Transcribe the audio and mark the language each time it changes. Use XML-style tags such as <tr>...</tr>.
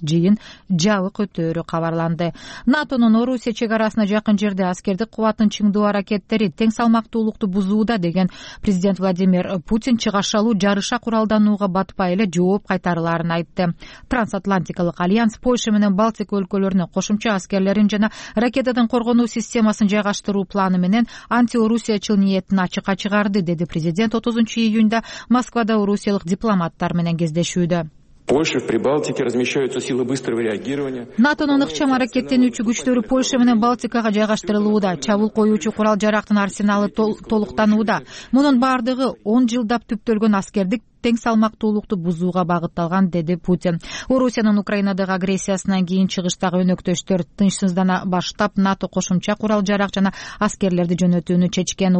<ky>Жыйын жабык өтөөрү кабарланды. НАТОнун Орусия чек арасына жакын жерде аскердик кубатын чыңдоо аракеттери тең салмактуулукту бузууда деген президент Владимир Путин чыгашалуу жарыша куралданууга батпай эле жооп кайтарыларын айтты. Трансатлантикалык альянс Польша менен Балтика өлкөлөрүнө кошумча аскерлерин жана ракетадан коргонуу системасын жайгаштыруу планы менен антиорусиячыл ниетин ачыкка чыгарды, деди президент 30 июнда Москвада орусиялык дипломаттар менен кездешүүдө.</ky> <ru>Польша в Прибалтике размещаются силы быстрого реагирования.</ru> <ky>НАТОнун ыкчам аракеттенүүчү күчтөрү Польша менен Балтикага жайгаштырылууда, чабуул коюучу курал-жарактын арсеналы толуктанууда. Мунун бардыгы 10 жылдап түптөлгөн аскердик тең салмактуулукту бузууга багытталган, деди Путин. Орусиянын Украинадагы агрессиясынан кийин чыгыштагы өнөктөштөр тынчсыздана баштап НАТО кошумча курал-жарак жана аскерлерди жөнөтүүнү чечкен.</ky>